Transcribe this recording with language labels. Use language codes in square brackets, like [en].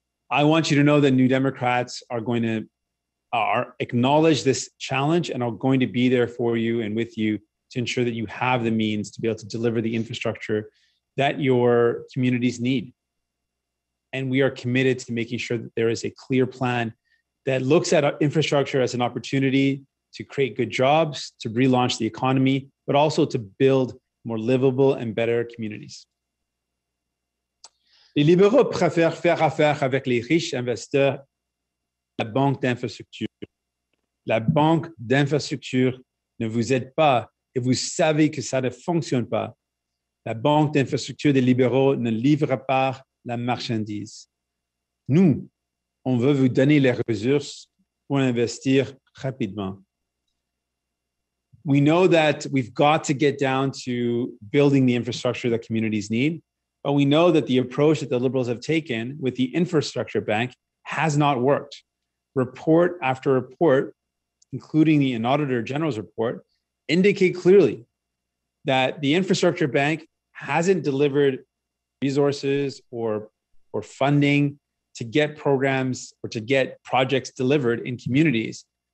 [en] I want you to know that New Democrats are going to acknowledge this challenge and are going to be there for you and with you to ensure that you have the means to be able to deliver the infrastructure that your communities need. And we are committed to making sure that there is a clear plan that looks at infrastructure as an opportunity to create good jobs, to relaunch the economy, but also to build more livable and better communities. [fr] Les libéraux préfèrent faire affaire avec les riches investisseurs, la banque d'infrastructure. La banque d'infrastructure ne vous aide pas et vous savez que ça ne fonctionne pas. La banque d'infrastructure des libéraux ne livre pas la marchandise. Nous, on veut vous donner les ressources pour investir rapidement. [en] We know that we've got to get down to building the infrastructure that communities need, but we know that the approach that the Liberals have taken with the infrastructure bank has not worked. Report after report, including the Auditor General's report, indicate clearly that the infrastructure bank hasn't delivered resources or funding to get programs or to get projects delivered in communities.